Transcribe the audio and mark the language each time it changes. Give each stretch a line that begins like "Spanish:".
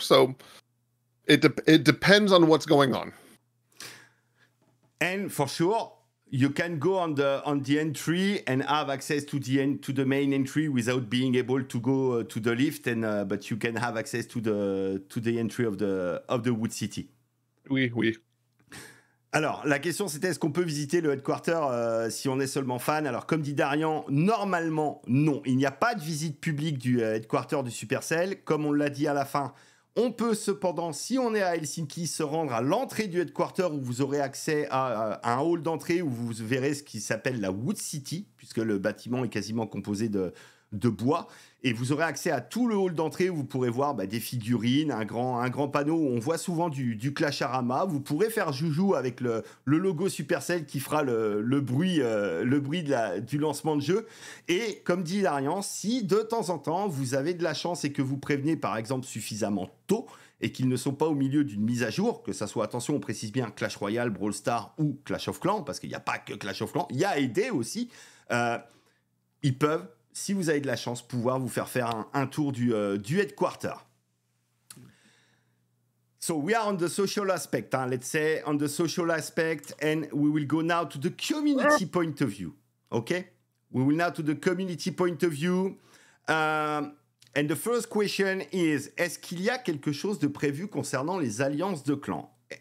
English: So it depends on what's going on. And for sure, you can go on the entry and have access to the main entry without being able to go to the lift, but you can have access to the entry of the Wood City.
French: Oui, oui. Alors, la question, c'était, est-ce qu'on peut visiter le headquarter si on est seulement fan? Alors, comme dit Darian, normalement, non. Il n'y a pas de visite publique du headquarter du Supercell. Comme on l'a dit à la fin, on peut cependant, si on est à Helsinki, se rendre à l'entrée du headquarter où vous aurez accès à un hall d'entrée où vous verrez ce qui s'appelle la Wood City, puisque le bâtiment est quasiment composé de bois. Et vous aurez accès à tout le hall d'entrée où vous pourrez voir des figurines, un grand panneau où on voit souvent du Clasharama. Vous pourrez faire joujou avec le logo Supercell qui fera le bruit du lancement de jeu. Et comme dit Darian, si de temps en temps vous avez de la chance et que vous prévenez par exemple suffisamment tôt et qu'ils ne sont pas au milieu d'une mise à jour, que ça soit, attention, on précise bien Clash Royale, Brawl Stars ou Clash of Clans, parce qu'il n'y a pas que Clash of Clans, il y a AD aussi, ils peuvent, si vous avez de la chance, pouvoir vous faire un tour du headquarter.
English: So we are on the social aspect, hein, let's say on the social aspect, and we will go now to the community point of view, okay? We will now to the community point of view. And the first question is,
French: est-ce qu'il y a quelque chose de prévu concernant les alliances de clans?